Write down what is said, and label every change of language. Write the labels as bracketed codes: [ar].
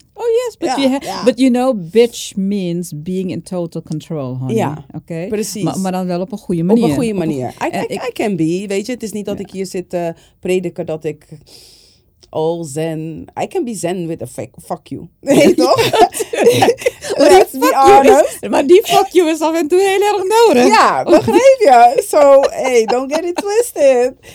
[en] Oh yes, but you know, bitch means being in total control, honey. [nl] Ja, [en] okay? [nl] Precies. Maar dan wel op een goede manier. Op een goede manier. [en] I can be, [nl] weet je. Het is niet dat ik hier zit te prediken dat ik all zen. [en] I can be zen with a fuck you. [nl] Weet je toch? [en] Let's be honest. [nl] Maar die fuck you is af en toe heel erg nodig. Ja, begreep je. [en] So, hey, don't get it twisted.